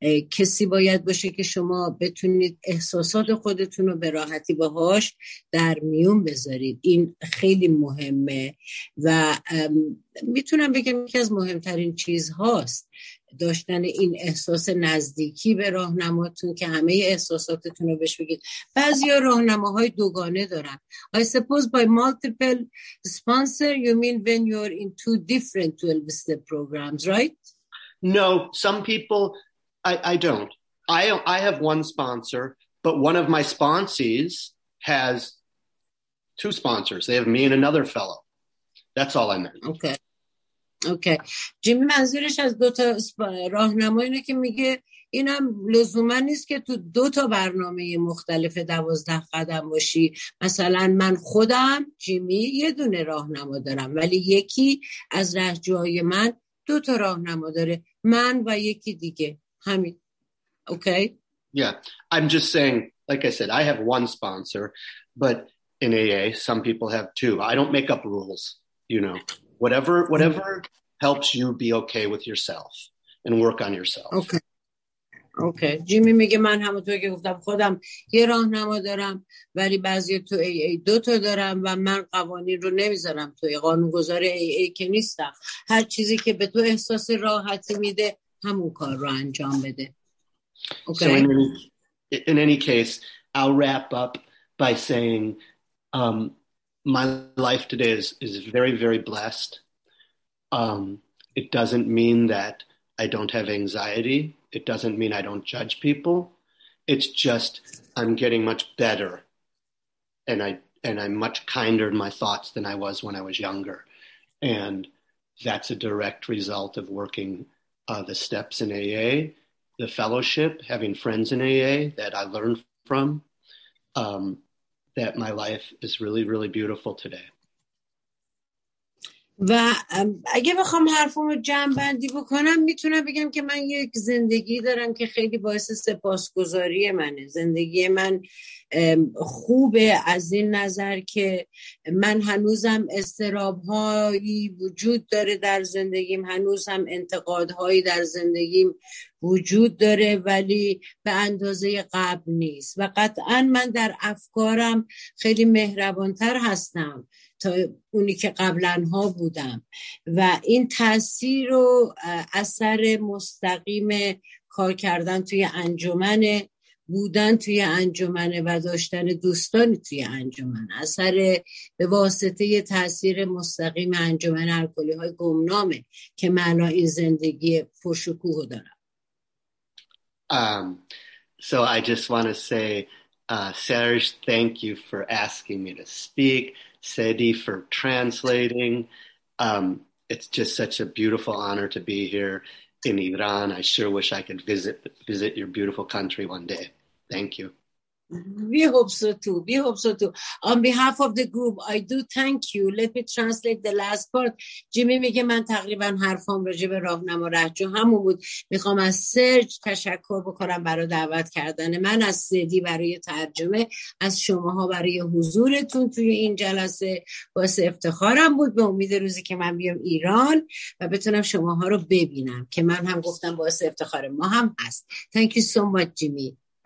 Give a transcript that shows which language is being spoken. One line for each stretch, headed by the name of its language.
Persian: کسی باید باشه که شما بتونید احساسات خودتون رو به راحتی باهاش در میون بذارید. این خیلی مهمه و میتونم بگم یکی از مهمترین چیزهاست داشتن این احساس نزدیکی به راهنماتون که همه احساساتتون رو بهش بگید. بعضیا راهنماهای دوگانه دارن.
English: I suppose by multiple sponsor you mean when you're in two different 12 step programs, right? No, some people I don't. I have one sponsor, but one of my sponsees has two sponsors. They have me and another fellow. That's all I meant. Okay. Okay.
Persian: جیمی منظورش از دو تا راهنما اینه که میگه اینم لزوما نیست که تو دو تا برنامه مختلف 12 قدم باشی. مثلا من خودم جیمی یه دونه راهنما دارم، ولی یکی از رهجوهای من دو تا راهنما داره، من و یکی دیگه، همین. اوکی.
English: Yeah, I'm just saying, like I said, I have one sponsor, but in AA, some people have two. I don't make up rules, you know. Whatever helps you be okay with yourself and work on yourself. Okay. Okay.
Persian: Jimmy میگه من همونطور که گفتم خودم یه راهنما دارم، ولی بعضی تو AA دو تا دارم و من قوانین رو نمیذارم توی قانونگذار AA که نیستم. هر چیزی که به تو احساس راحتی میده همون کار رو انجام بده.
English: Okay. So in any case, I'll wrap up by saying my life today is very, very blessed. It doesn't mean that I don't have anxiety. It doesn't mean I don't judge people. It's just I'm getting much better, and I'm much kinder in my thoughts than I was when I was younger. And that's a direct result of working the steps in AA, the fellowship, having friends in AA that I learned from, that my life is really, really beautiful today.
Persian: و اگه بخوام حرفمو جمع‌بندی بکنم میتونم بگم که من یک زندگی دارم که خیلی باعث سپاسگزاری منه. زندگی من خوبه از این نظر که من هنوزم استرابهایی وجود داره در زندگیم، هنوزم انتقادهایی در زندگیم وجود داره، ولی به اندازه قبل نیست و قطعا من در افکارم خیلی مهربانتر هستم تا اونی که قبلن ها بودم و این تأثیر و اثر مستقیم کار کردن توی انجمن، بودن توی انجمن و داشتن دوستانی توی انجمن، اثر به واسطه تأثیر مستقیم انجمن الکلی های گمنامه که من این زندگی پرشکوه دارم.
English: So I just want to say Serge, thank you for asking me to speak. Sedi for translating. It's just such a beautiful honor to be here in Iran. I sure wish I could visit your beautiful country one day. Thank you. We hope so too. On behalf of the group, I do thank you. Let me translate the last part.
Persian: Jimmy میگه من تقریبا حرفام راجع به راهنما رهجو همون بود. میخوام از سرج تشکر بکنم برای دعوت کردن من، از سیدی برای ترجمه، از شماها برای حضورتون توی این جلسه. واسه افتخارم بود، به امید روزی که من بیام ایران و بتونم شماها رو ببینم که من هم گفتم واسه افتخار ما هم هست.
English: Thank you so much, Jimmy.